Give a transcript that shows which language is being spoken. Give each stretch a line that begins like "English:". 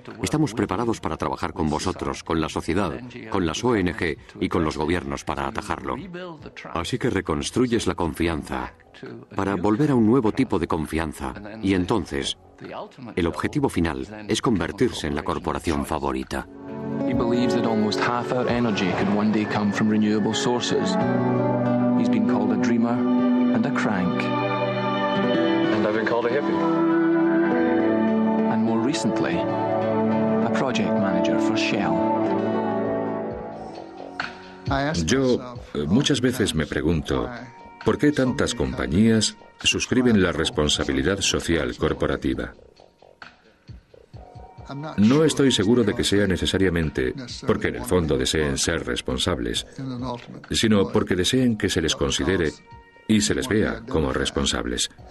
Spanish: Estamos preparados para trabajar con vosotros, con la sociedad, con las ONG y con los gobiernos para atajarlo. Así que reconstruyes la confianza para volver a un nuevo tipo de confianza. Y entonces, el objetivo final es convertirse en la corporación favorita.
English: He believes that almost half our energy could one day come from renewable sources. He's been called a dreamer and a crank. And I've been called a hippie. And more recently, a project manager for Shell.
Spanish: Yo muchas veces me pregunto, ¿por qué tantas compañías suscriben la responsabilidad social corporativa? No estoy seguro de que sea necesariamente porque en el fondo deseen ser responsables, sino porque deseen que se les considere y se les vea como responsables.